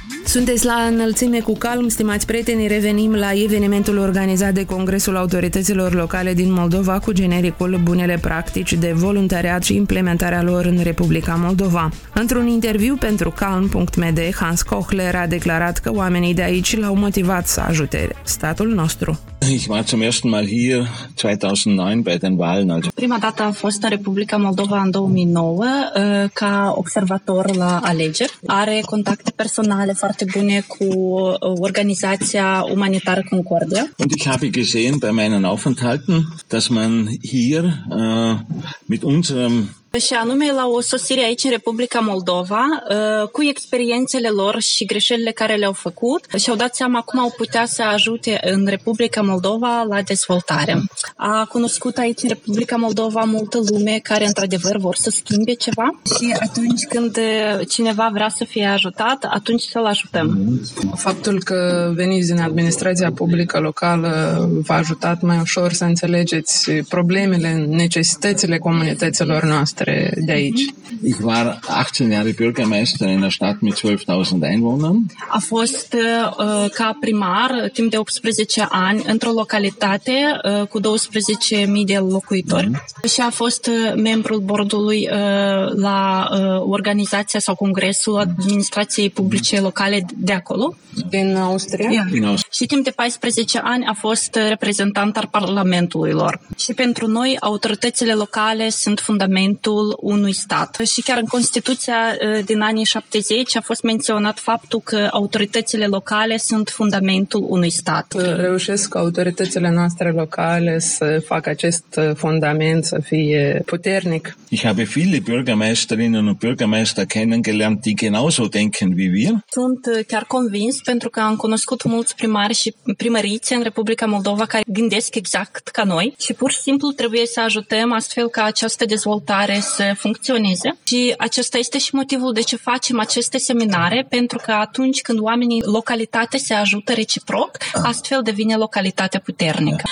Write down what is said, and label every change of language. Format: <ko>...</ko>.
<ro>Sunteți la Înălțime cu Calm, stimați prieteni, revenim la evenimentul organizat de Congresul Autorităților Locale din Moldova cu genericul Bunele Practici de Voluntariat și Implementarea lor în Republica Moldova. Într-un interviu pentru calm.md, Hans Kochler a declarat că oamenii de aici l-au motivat să ajute statul nostru.</ro> <de>Ich war zum ersten Mal hier 2009 bei den Wahlen.</de> <ro>Prima dată am fost în Republica Moldova în 2009 ca observator la alegeri. Are contacte personale foarte bune cu organizația umanitară Concordia.</ro> <de>Und ich habe gesehen bei meinen Aufenthalten, dass man hier mit unserem</de> <ro>Și anume, la o sosire aici în Republica Moldova, cu experiențele lor și greșelile care le-au făcut, și-au dat seama cum au putea să ajute în Republica Moldova la dezvoltare. A cunoscut aici în Republica Moldova multă lume care, într-adevăr, vor să schimbe ceva și atunci când cineva vrea să fie ajutat, atunci să-l ajutăm. Faptul că veniți din administrația publică locală v-a ajutat mai ușor să înțelegeți problemele, necesitățile comunităților noastre.</ro> <de>Ich war 18 Jahre Bürgermeister in einer Stadt mit 12.000 Einwohnern.</de> <ro>A fost ca primar timp de 18 ani într-o localitate cu 12.000 de locuitori. Și a fost membru bordului la organizația sau congresul administrației publice locale de acolo. Din Austria? Și timp de 14 ani a fost reprezentant al Parlamentului lor. Și pentru noi, autoritățile locale sunt fundamentul unui stat. Și chiar în Constituția din anii 70 a fost menționat faptul că autoritățile locale sunt fundamentul unui stat. Reușesc autoritățile noastre locale să facă acest fundament să fie puternic.</ro> <de>Ich habe viele Bürgermeisterinnen und Bürgermeister kennengelernt, die genauso denken wie wir.</de> <ro>Sunt chiar convins pentru că am cunoscut mulți primari și primărițe în Republica Moldova care gândesc exact ca noi și pur și simplu trebuie să ajutăm astfel ca această dezvoltare să funcționeze. Și acesta este și motivul de ce facem aceste seminare, pentru că atunci când oamenii localitate se ajută reciproc, astfel devine localitatea puternică.</ro>